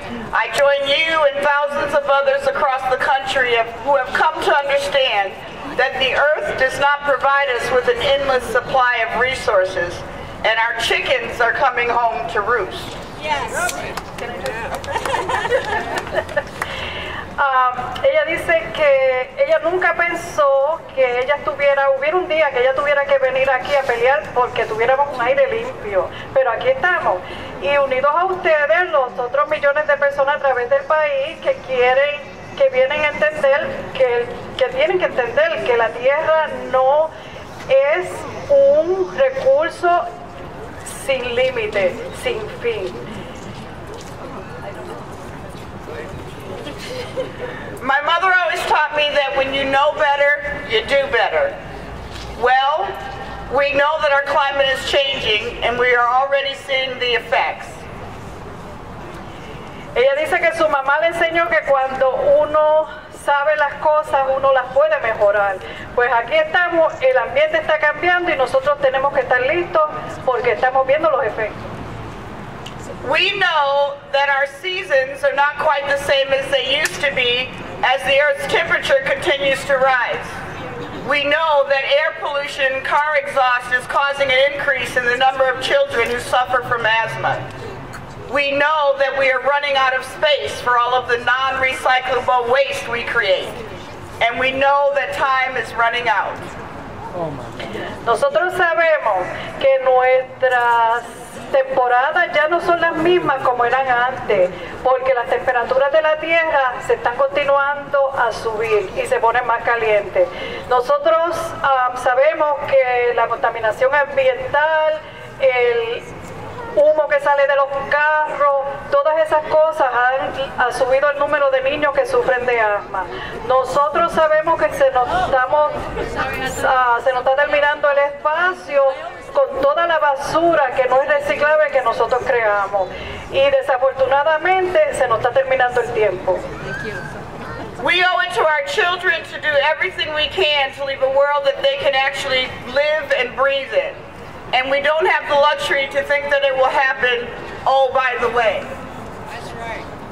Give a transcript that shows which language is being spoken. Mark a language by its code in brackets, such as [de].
[en] I join you and thousands of others across the country who have come to understand that the earth does not provide us with an endless supply of resources, and our chickens are coming home to roost. Yes. [es] Ella dice que ella nunca pensó que ella tuviera, hubiera un día que ella tuviera que venir aquí a pelear porque tuviéramos un aire limpio, pero aquí estamos. Y unidos a ustedes, los otros millones de personas a través del país que quieren, que vienen a entender, que tienen que entender que la tierra no es un recurso sin límite, sin fin. [en] My mother always taught me that when you know better, you do better. Well, we know that our climate is changing and we are already seeing the effects. [es] Ella dice que su mamá le enseñó que cuando uno sabe las cosas, uno las puede mejorar. Pues aquí estamos, el ambiente está cambiando y nosotros tenemos que estar listos porque estamos viendo los efectos. [en] We know that our seasons are not quite the same as they used to be as the Earth's temperature continues to rise. We know that air pollution, car exhaust is causing an increase in the number of children who suffer from asthma. We know that we are running out of space for all of the non-recyclable waste we create. And we know that time is running out. [es] Nosotros sabemos que nuestras temporadas ya no son las mismas como eran antes, porque las temperaturas de la Tierra se están continuando a subir y se ponen más calientes. Nosotros sabemos que la contaminación ambiental, el humo que sale de los carros, todas esas cosas han subido el número de niños que sufren de asma. Nosotros sabemos que se nos está terminando el espacio con toda la basura que no es reciclable que nosotros creamos. Y desafortunadamente se nos está terminando el tiempo. [en] We owe it to our children to do everything we can to leave a world that they can actually live and breathe in. And we don't have the luxury to think that it will happen, oh, by the way. That's right.